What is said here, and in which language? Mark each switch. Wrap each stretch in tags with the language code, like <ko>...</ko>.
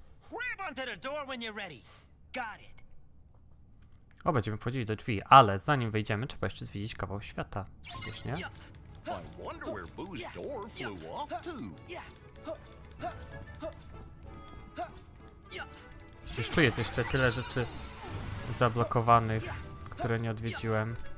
<en>Grab onto the door when you're ready. Got it.</en> <pl>O, będziemy wchodzili do drzwi, ale zanim wejdziemy, trzeba jeszcze zwiedzić kawał świata. Gdzieś, nie?</pl> <en>I wonder where Boo's door flew off to.</en> <pl>Przecież tu jest jeszcze tyle rzeczy zablokowanych, które nie odwiedziłem.</pl>